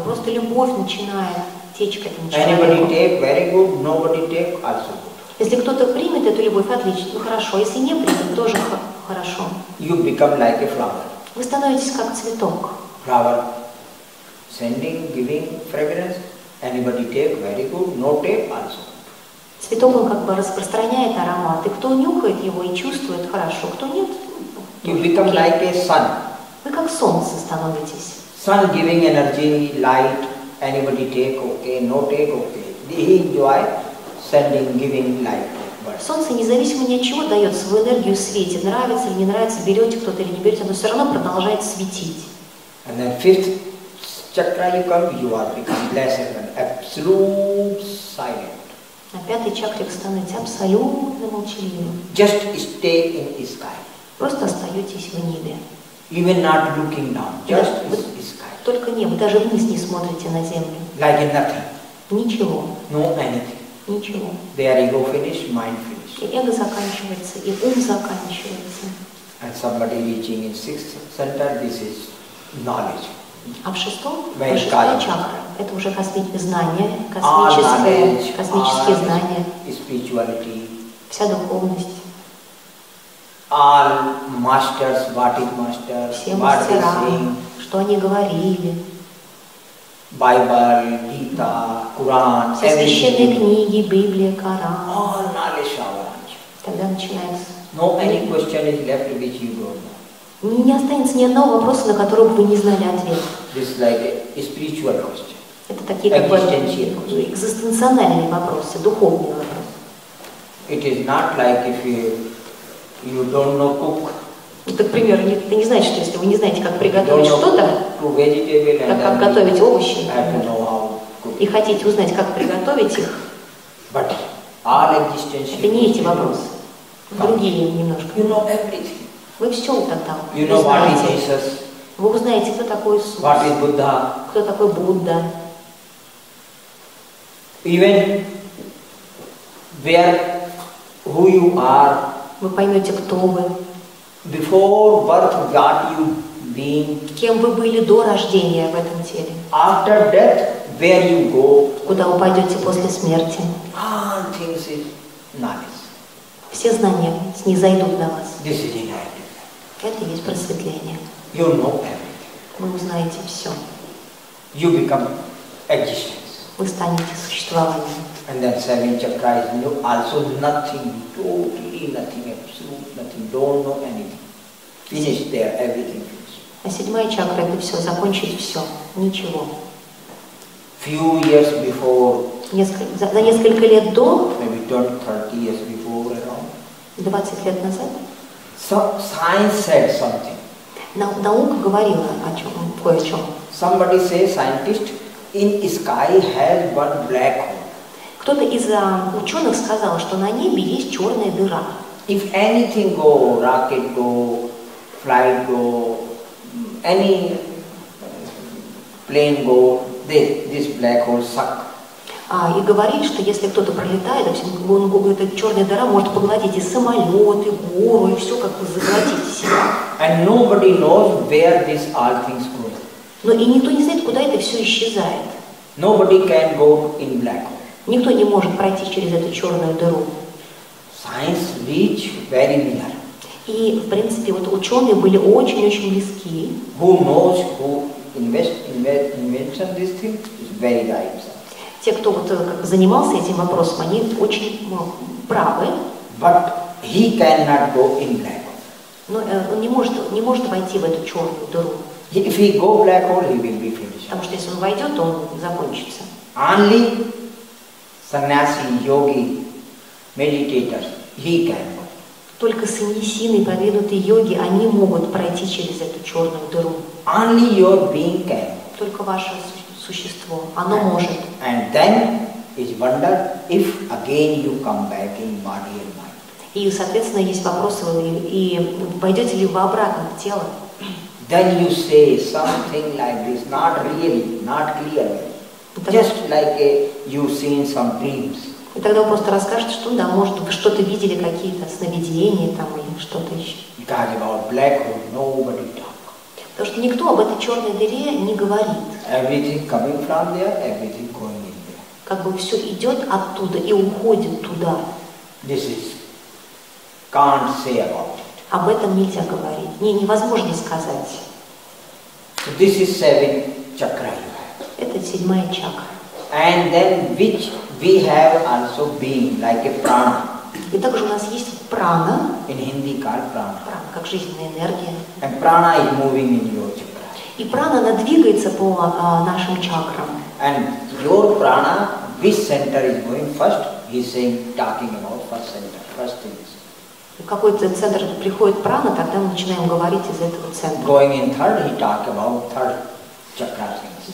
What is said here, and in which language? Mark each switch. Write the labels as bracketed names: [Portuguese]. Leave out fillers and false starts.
[Russian] Просто любовь начинает течь к этому [English] Anybody Anybody take very good, nobody take also good. [Russian] Если кто-то примет эту любовь, отлично, ну, хорошо. Если не примет, тоже хорошо. [English] You become like a flower. [Russian] Вы становитесь как цветок. [English] Flower, sending, giving fragrance. Anybody take very good, no take also. [Russian] Цветок он как бы распространяет аромат. И кто нюхает его и чувствует хорошо, кто нет. [English] You become okay. Like a sun. [Russian] Вы как солнце становитесь. [English] Sun giving energy, light. Anybody take okay, no take okay. He enjoy sending, giving light. [Russian] Солнце, независимо ни от чего, дает свою энергию свете. Нравится или не нравится, берете кто-то или не берете, оно все равно продолжает светить. [English] And then fifth chakra you come, you are become blessed and absolute silent. [Russian] На пятой чакре вы становитесь абсолютно молчаливым. [English] Just stay in the sky. [Russian] Просто остаетесь в небе. [English] Even not looking down, just in the sky. [Russian] Только небо, даже вниз не смотрите на землю. [English] Like nothing. [Russian] Ничего. [English] No anything. [Russian] Ничего. [English] There ego finish, mind finish. [Russian] И эго заканчивается, и ум заканчивается. [English] And somebody reaching in sixth center, this is knowledge. [Russian] А в шестом, шестая чакра, это уже знание, космические знания, [English] spirituality, [Russian] вся духовность. [English] All masters, what is master, [Russian] все мастера, что они говорили. [English] Bible, Gita, Quran, [Russian] все священные книги, Библия, Коран. [English] All knowledge avalanche. [Russian] Тогда начинается. [English] No any question is left which you don't know. [Russian] Не останется ни одного вопроса, на который вы не знали ответ. [English] This is like a spiritual question. [Russian] Это такие как экзистенциональные вопросы, духовные вопросы. [English] It is not like if you don't know cook. [Russian] Это, к примеру, это не значит, что если вы не знаете, как приготовить что-то, как готовить овощи, и хотите узнать, как приготовить их, [English] but all existential [Russian] это не эти вопросы, другие немножко. [English] You know everything. [Russian] Вы все тогда [English] you know, [Russian] узнаете. [English] Jesus, [Russian] вы узнаете, кто такой Иисус. [English] What is Buddha. [Russian] Кто такой Будда. [English] Even where, who you are. [Russian] Вы поймете, кто вы. [English] Before birth, what you been. [Russian] Кем вы были до рождения в этом теле. [English] After death, where you go. [Russian] Куда вы пойдете после смерти. [English] All things is knowledge. [Russian] Все знания снизойдут на вас. [English] This is the night. [Russian] Это есть просветление. [English] You know everything. [Russian] Вы узнаете все. [English] You become existence. [Russian] Вы станете существованием. [English] And then seven chakras, you also nothing, totally nothing, absolute nothing, don't know anything. Finish there, everything finished. [Russian] А седьмая чакра это все, закончить все, ничего. [English] Few years before. [Russian] За несколько лет до. [English] Maybe 20-30 years before, around. [Russian] 20 лет назад. [English] So science said something. [Russian] Наука говорила о чем, кое о чем. [English] Somebody say scientist in sky has one black hole. [Russian] Кто-то из ученых сказал, что на небе есть черная дыра. [English] If anything go, rocket go, flight go, any plane go, this black hole suck. [Russian] И говорит, что если кто-то пролетает, он говорит, эта черная дыра может поглотить и самолет, и гору, и все как бы заглотить. [English] And nobody knows where these all things go. [Russian] Но и никто не знает, куда это все исчезает. [English] Nobody can go in black hole. [Russian] Никто не может пройти через эту черную дыру. [English] Science reach very near. [Russian] И в принципе вот ученые были очень-очень близки. [English] Who knows who invention this thing is very right. [Russian] Те, кто вот как бы занимался этим вопросом, они очень правы. [English] But he cannot go in black hole. [Russian] Но он не может войти в эту черную дыру. [English] If he go black hole, he will be finished. [Russian] Потому что если он войдет, то он закончится. [English] Only sannyasi, yogi, meditators, he can go. [Russian] Только саньясины, продвинутые йоги, они могут пройти через эту черную дыру. [English] Only your being can. [Russian] Только ваше существо, оно может. [English] And then is wonder if again you come back in body and mind. [Russian] И, соответственно, есть вопрос, и пойдете ли вы обратно в тело? [English] Then you say something like this, not really, not clearly, just like you seen some dreams. [Russian] И тогда вы просто расскажете, что да, может вы что-то видели, какие-то сновидения там или что-то еще. [English] Talk about black hole, nobody talk. [Russian] Потому что никто об этой черной дыре не говорит. [English] Everything coming from there, everything going in there. [Russian] Как бы все идет оттуда и уходит туда. [English] This is can't say about. [Russian] Об этом нельзя говорить. Невозможно сказать. [English] So this is seven chakra you have. [Russian] Это седьмая чакра. [English] And then which we have also being, like a prana. [Russian] И также у нас есть прана. [English] In Hindi called prana. [Russian] Прана, как жизненная энергия. [English] And prana is moving in your chakra. [Russian] И прана, она двигается по нашим чакрам. [English] And your prana, which center is going first? He's saying, talking about first center, first thing. [Russian] Какой-то центр приходит прана, тогда мы начинаем говорить из этого центра. [English] Going in third, he talk about third chakra things.